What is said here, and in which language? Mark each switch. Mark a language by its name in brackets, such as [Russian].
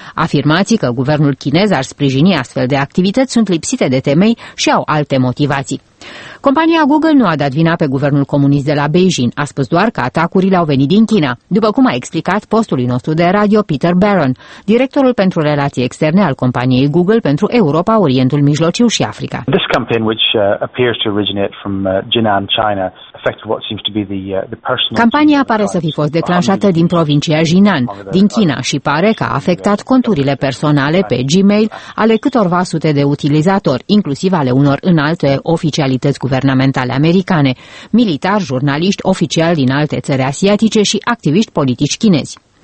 [Romanian] Afirmații că guvernul chinez ar sprijini astfel de activități sunt lipsite de temei și au alte motivații. Compania Google nu a dat vina pe guvernul comunist de la Beijing, a spus doar că atacurile au venit din China, după cum a explicat postului nostru de radio Peter Barron, directorul pentru relații externe al companiei Google pentru Europa, Orientul Mijlociu și Africa. [English] This campaign, which appears to originate from Jinan, China, affected what seems to be the personal. [Romanian] Campania pare să fi fost declanșată din provincia Jinan, din China, și pare că a afectat conturile personale pe Gmail ale câtorva sute de utilizatori, inclusiv ale unor înalte oficialități guvernamentale americane, militari, jurnaliști, oficiali din alte țări asiatice și activiști politici chinezi.